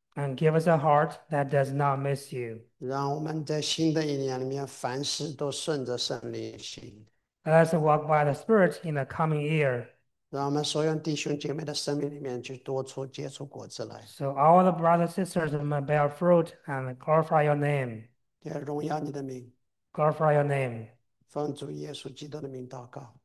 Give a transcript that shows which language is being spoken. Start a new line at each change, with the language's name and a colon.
English: And give us a heart that does not miss you.
Chinese: 让我们在新的一年里面，凡事都顺着圣灵行。
English: Let us walk by the Spirit in the coming year.
Chinese: 让我们所有弟兄姐妹的生命里面去多出结出果子来，
English: So all the brothers and sisters may bear fruit and glorify your name.
Chinese: 也荣耀你的名。
English: Glorify your name.
Chinese: 奉主耶稣基督的名祷告，